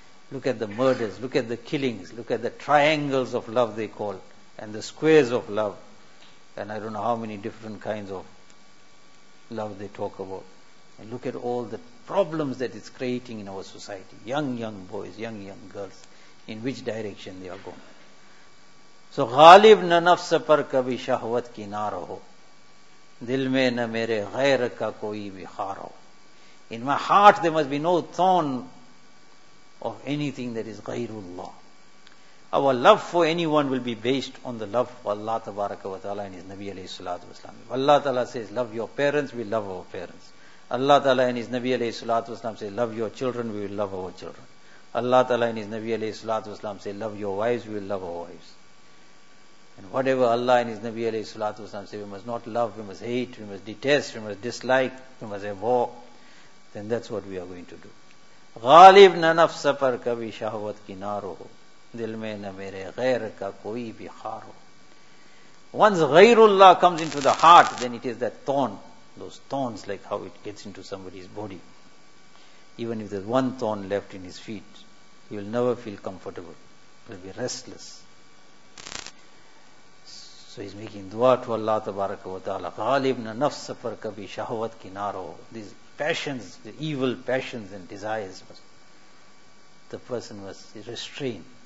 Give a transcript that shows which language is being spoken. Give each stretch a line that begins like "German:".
English: Look at the murders, look at the killings, look at the triangles of love they call, and the squares of love, and I don't know how many different kinds of love they talk about. And look at all the problems that it's creating in our society. Young boys, young girls, in which direction they are going.
Urdu: So, غالب نہ نفس پر کبھی شہوت کی نہ رہو. دل میں نہ میرے غیر کا کوئی بھی خار ہو.
English: In my heart there must be no thorn of anything that is غیر اللہ. Our love for anyone will be based on the love for Allah تبارک و تعالی and His Nabi علیہ الصلوۃ والسلام. Allah تعالی says, love your parents, we love our parents. Allah Ta'ala and His Nabi alayhi salatu wasalam say, love your children, we will love our children. Allah Ta'ala and His Nabi alayhi salatu wasalam say, love your wives, we will love our wives. And whatever Allah and His Nabi alayhi salatu wasalam say, we must not love, we must hate, we must detest, we must dislike, we must abhor, then that's what we are going to do.
Urdu: غالب نہ نفس پر کبھی شہوت کی نار ہو. دل میں نہ میرے غیر کا کوئی بھی خار ہو.
English: Once غیرullah comes into the heart, then it is that thorn. Those thorns, like how it gets into somebody's body. Even if there's one thorn left in his feet, he will never feel comfortable. He will be restless. So he's making dua to Allah tabaraka wa ta'ala.
Urdu: غالب نہ نفس پر کبھی شہوت کی نہ رہو.
English: These passions, the evil passions and desires, the person must restrain.